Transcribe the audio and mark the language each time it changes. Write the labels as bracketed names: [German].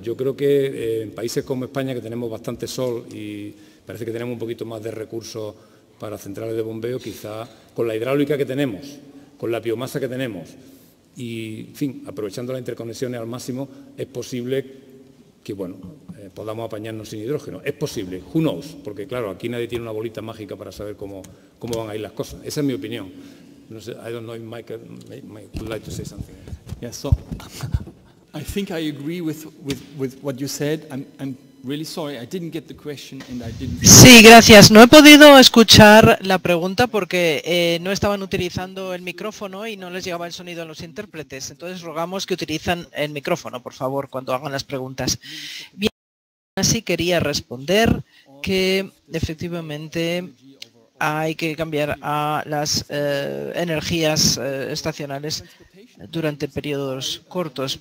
[Spanish] Yo creo que en países como España, que tenemos bastante sol y parece que tenemos un poquito más de recursos para centrales de bombeo, quizá con la hidráulica que tenemos, con la biomasa que tenemos y, en fin, aprovechando las interconexiones al máximo, es posible que, bueno, podamos apañarnos sin hidrógeno. Es posible, [English] who knows, [Spanish] porque, claro, aquí nadie tiene una bolita mágica para saber cómo van a ir las cosas. Esa es mi opinión. No sé, [English] I don't know if Michael would like to say something. Yes, so I think I agree with what you said. I'm really sorry, I didn't get the question and I didn't... [Spanish] Sí, gracias. No he podido escuchar la pregunta porque no estaban utilizando el micrófono y no les llegaba el sonido a los intérpretes. Entonces rogamos que utilicen el micrófono, por favor, cuando hagan las preguntas. Bien, así quería responder que efectivamente hay que cambiar a las energías estacionales durante periodos cortos.